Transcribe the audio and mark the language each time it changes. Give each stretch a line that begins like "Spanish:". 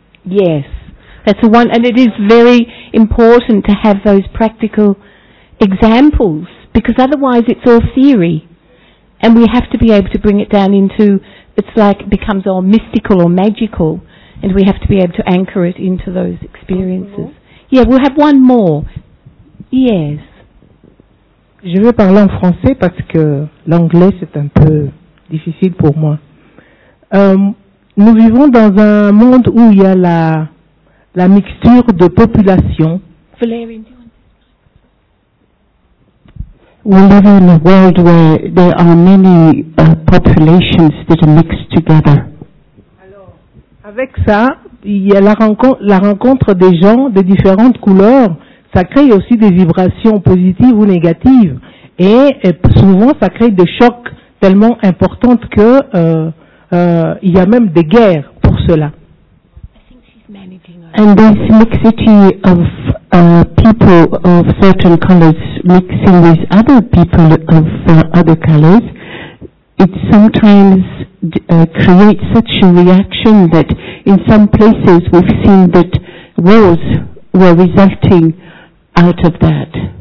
English: Yes, that's a one, and it is very important to have those practical examples, because otherwise it's all theory, and we have to be able to bring it down into, it's like it becomes all mystical or magical, and we have to be able to anchor it into those experiences. Yeah, we'll have one more. Yes.
French: Je vais parler en français parce que l'anglais c'est un peu difficile pour moi. Nous vivons dans un monde où il y a la mixture de populations.
English: We live in a world where there are many populations that are mixed together.
French: Alors, avec ça, il y a la rencontre des gens de différentes couleurs. Ça crée aussi des vibrations positives ou négatives, et souvent ça crée des chocs tellement importants que il y a même des guerres pour cela.
English: And this mixity of people of certain colors mixing with other people of other colors, it sometimes creates such a reaction that in some places we've seen that wars were resulting out of that.